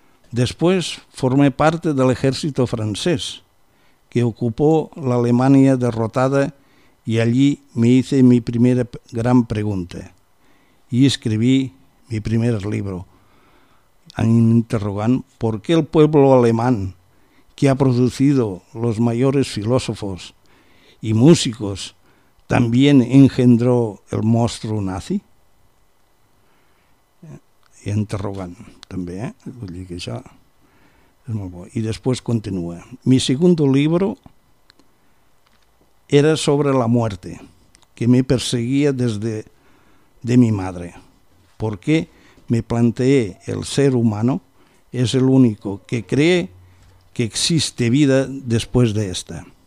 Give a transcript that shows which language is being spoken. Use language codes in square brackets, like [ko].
[es] Después formé parte del ejército francés que ocupó la Alemania derrotada y allí me hice mi primera gran pregunta y escribí mi primer libro. Interrogan por qué el pueblo alemán, que ha producido los mayores filósofos y músicos, también engendró el monstruo nazi. Interrogan también, [ca] vull dir que això és molt bo. I després continua. [es] Mi segundo libro era sobre la muerte, que me perseguía desde de mi madre. ¿Por qué? Me planteé, el ser humano es el único que cree que existe vida después de esta.